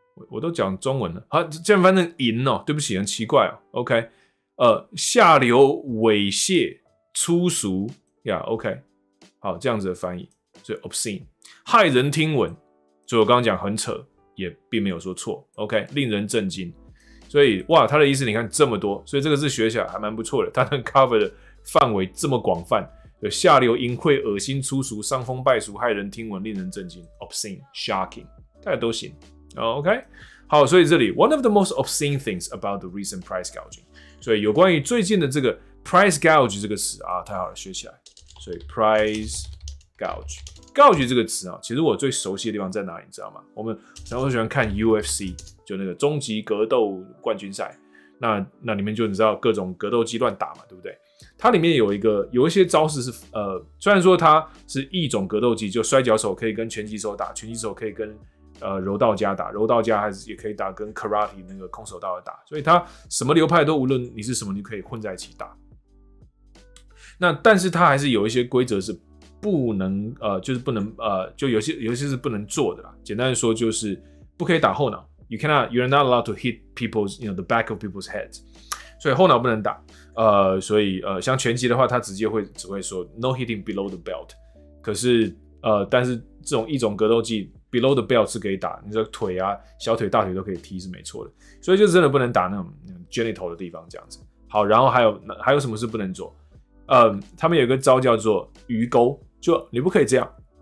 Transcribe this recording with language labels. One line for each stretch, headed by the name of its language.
Chinese: 我都讲中文了，好，这样反正淫哦，对不起，很奇怪哦 ，OK， 下流、猥亵、粗俗呀、yeah, ，OK， 好，这样子的翻译，所以 obscene， 骇人听闻，所以我刚刚讲很扯，也并没有说错 ，OK， 令人震惊，所以哇，他的意思你看这么多，所以这个字学起来还蛮不错的，他能 cover 的范围这么广泛，有下流、淫秽、恶心、粗俗、伤风败俗、骇人听闻、令人震惊 ，obscene、shocking， 大家都行。 OK， 好，所以这里
English: one of the most obscene things about the recent price gouging，
Chinese: 所以有关于最近的这个 price gouge 这个词啊，太好了，学起来。所以 price gouge 这个词啊，其实我最熟悉的地方在哪里，你知道吗？我们常常喜欢看 UFC， 就那个终极格斗冠军赛，那里面就你知道各种格斗机乱打嘛，对不对？它里面有一些招式是虽然说它是一种格斗机，就摔跤手可以跟拳击手打，拳击手可以跟柔道家打，柔道家还是也可以打跟 karate 那个空手道的打，所以他什么流派都无论你是什么，你可以混在一起打。那但是他还是有一些规则是不能就是不能就有些是不能做的啦。简单的说就是不可以打后脑 ，
English: you're not allowed to hit people's you know the back of people's heads，
Chinese: 所以后脑不能打。所以像拳击的话，他直接会只会说
English: no hitting below the belt，
Chinese: 可是但是这种一种格斗技。 Below the belt 是可以打，你说腿啊、小腿、大腿都可以踢是没错的，所以就真的不能打那种 genital 的地方这样子。好，然后还有什么是不能做？他们有一个招叫做鱼钩，就你不可以这样，